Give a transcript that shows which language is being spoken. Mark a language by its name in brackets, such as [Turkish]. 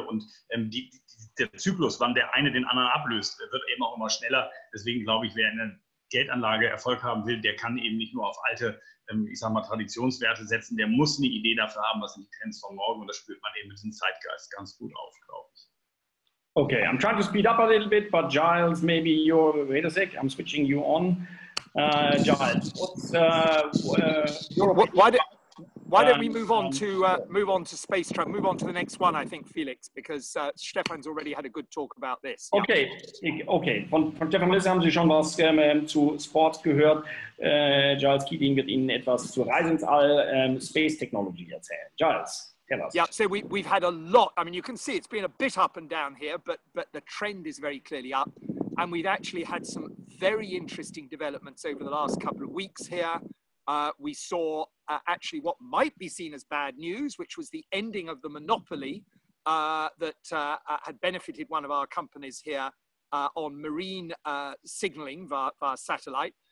[German] Und der Zyklus, wann der eine den anderen ablöst, wird eben auch immer schneller. Deswegen glaube ich, wer eine Geldanlage Erfolg haben will, der kann eben nicht nur auf alte, ich sag mal, Traditionswerte setzen. Der muss eine Idee dafür haben, was sind die Trends von morgen. Und das spürt man eben mit dem Zeitgeist ganz gut auf, glaube ich. [English] Okay, I'm trying to speed up a little bit, but Giles, maybe you're, wait a sec, I'm switching you on. Giles, what's your opinion? Why don't we move on to space travel, move on to the next one, I think, Felix, because Stefan's already had a good talk about this. Okay, yeah. Okay. [German] Von Stefan Lisse haben Sie schon was zu Sport gehört. Giles Keating wird Ihnen etwas zu Reise ins All, Space Technology erzählen. Giles. [English] Yeah, so we've had a lot. I mean, you can see it's been a bit up and down here, but the trend is very clearly up. And we've actually had some very interesting developments over the last couple of weeks here. We saw actually what might be seen as bad news, which was the ending of the monopoly that had benefited one of our companies here on marine signaling via satellite.